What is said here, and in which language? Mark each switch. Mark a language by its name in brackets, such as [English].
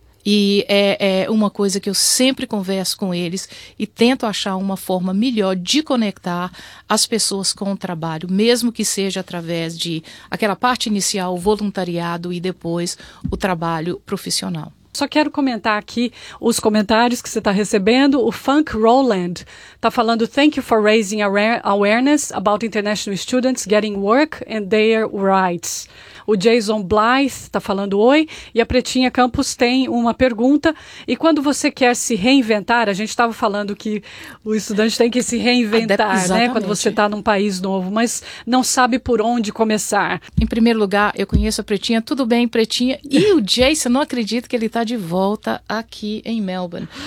[Portuguese] E é uma coisa que eu sempre converso com eles e tento achar uma forma melhor de conectar as pessoas com o trabalho, mesmo que seja através de aquela parte inicial, o voluntariado e depois o trabalho profissional. Só quero comentar aqui os comentários que você está recebendo. O Funk Roland está falando, [English] thank you for raising awareness about international students getting work and their rights. [Portuguese] O Jason Blythe está falando oi. E a Pretinha Campos tem uma pergunta. E quando você quer se reinventar, a gente estava falando que o estudante tem que se reinventar, né? Quando você está num país novo, mas não sabe por onde começar. Em primeiro lugar, eu conheço a Pretinha. Tudo bem, Pretinha? E o Jason, não acredito que ele está de volta aqui em Melbourne.